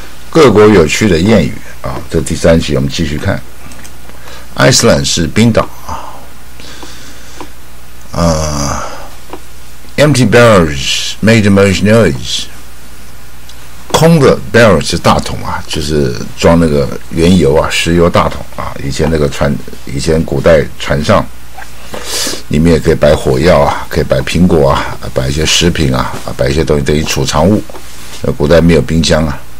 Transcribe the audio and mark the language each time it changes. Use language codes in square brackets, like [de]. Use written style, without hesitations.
[zh] 各国有趣的谚语啊，这第三期我们继续看。 Iceland 是冰岛啊。 [en] Empty barrels made much noise。 [zh] 空的 barrel 是大桶啊，就是装那个原油啊、石油大桶啊。以前那个船，以前古代船上里面也可以摆火药啊，可以摆苹果啊，摆一些食品啊，摆一些东西等于储藏物。古代没有冰箱啊。